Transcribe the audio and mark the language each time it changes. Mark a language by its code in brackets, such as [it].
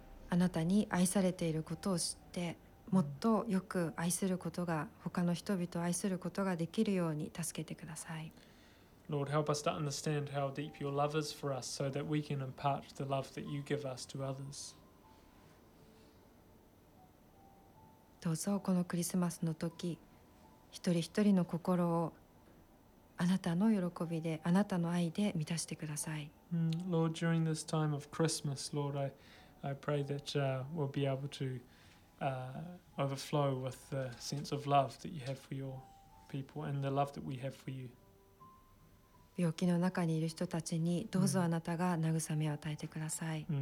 [ja] あなたに愛されていることを知って、もっとよく愛することが、他の人々を愛することができるように助けてください。 [en] Lord, help us to understand how deep your love is for us, so that we can impart the love that you give us to others. [ja] どうぞこのクリスマスの時、一人一人の心をあなたの喜びで、あなたの愛で満たしてください。 [en] Lord, during this time of Christmas, Lord, I pray that we'll be able to overflow with the sense of love that you have for your people and the love that we have for you. [ja] 病気の中にいる人たちにどうぞあなたが慰めを与えてください。